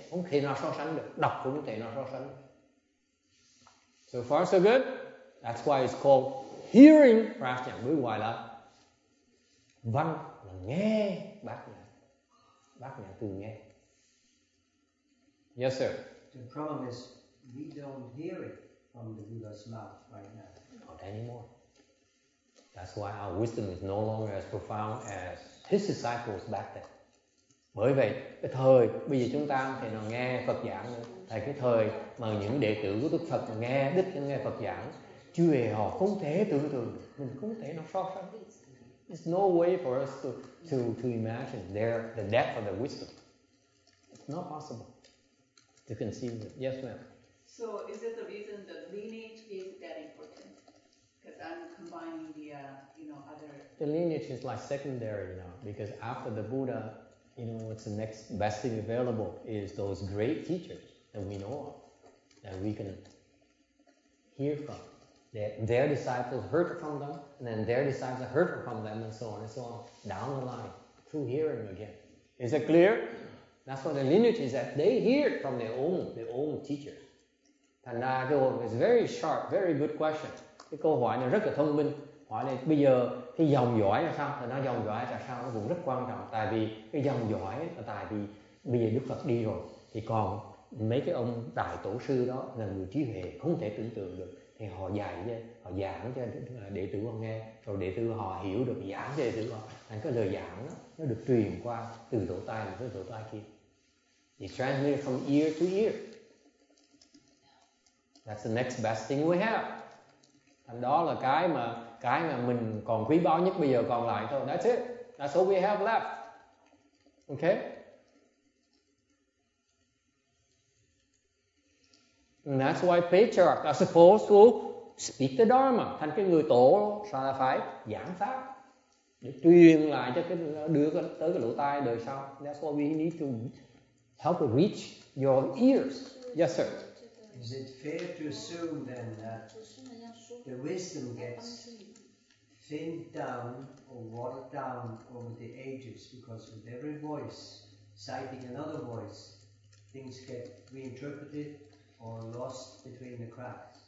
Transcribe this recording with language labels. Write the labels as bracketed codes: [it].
[vi] Không thể nào so sánh được. Đọc cũng không thể nào so sánh được. [en] So far so good. That's why it's called hearing. [vi] Bác nhạc mới hoài là văn là nghe bác nhạc. Bác nhạc từ nghe. [en] Yes, sir. The problem is we don't hear it from the Buddha's mouth right now. Not anymore. That's why our wisdom is no longer as profound as his disciples back then. [vi] Bởi vậy, cái thời bây giờ chúng ta không thể nào nghe Phật giảng nữa. Tại cái thời mà những đệ tử của Đức Phật nghe, đích thân nghe Phật giảng, chưa hề họ không thể tưởng tượng, mình không thể nào so sánh. [en] There's no way for us to imagine there the depth of the wisdom. It's not possible to conceive it. Yes, ma'am. So is it the reason the lineage is that important? Because I'm combining the other. The lineage is like secondary, you know, because after the Buddha, you know, what's the next best thing available is those great teachers that we know of, that we can hear from. their disciples heard from them, and then their disciples heard from them, and so on, down the line, through hearing again. Is it clear? That's what the lineage is, that they hear from their own teacher. [vi] Thành ra cái câu [en] is very sharp, very good question. [vi] Cái câu hỏi này rất là thông minh. Hỏi này bây giờ cái dòng dõi là sao? Thì nó dòng dõi là sao? Nó cũng rất quan trọng. Tại vì cái dòng dõi là tại vì bây giờ Đức Phật đi rồi, thì còn mấy cái ông đại tổ sư đó là người trí huệ không thể tưởng tượng được, thì họ dạy cho, họ giảng cho đệ tử họ nghe, rồi đệ tử họ hiểu được, giảng cho đệ tử họ. Thành cái lời giảng đó, nó được truyền qua từ tổ tai này tới tổ tai kia. [en] It transmitted from ear to ear. That's the next best thing we have. [vi] Thành đó là cái mà mình còn quý báu nhất bây giờ còn lại thôi. [en] That's it. That's all we have left. Okay? And that's why patriarchs are supposed to speak the Dharma. [vi] Thành cái người tổ sao là phải giảng pháp để truyền lại cho cái đưa tới cái lỗ tai đời sau. [en] That's why we need to help reach your ears. Yes, sir. Is it fair to assume then that the wisdom gets thinned down or watered down over the ages, because with every voice citing another voice, things get reinterpreted or lost between the cracks?